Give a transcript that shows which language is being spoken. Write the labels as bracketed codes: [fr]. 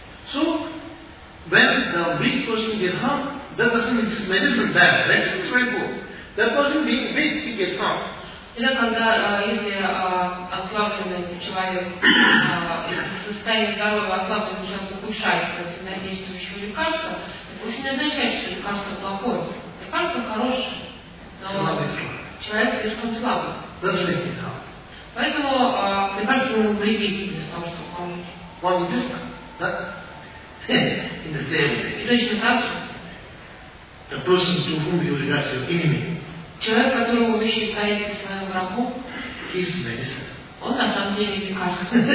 [en] So, when the weak person gets harmed, that doesn't mean this medicine is bad. Medicine is very good. That person being weak, he gets harmed. [ru] Это когда если ослабленный человек состояние здоровья ослабленный человек ухудшается от сильнодействующего лекарства, это не означает, что лекарство плохое. Лекарство хорошее, но человек слишком слабый. [en] That's right. Yeah. [ru] Поэтому лекарство ему вредит вместо того, чтобы помочь. [en] In the same way. [ru] И точно так же. [en] The person to whom you regard your enemy. [ru] Человек, которого вы считаете своим врагом. [en] His medicine. [ru] Он на самом деле лекарство.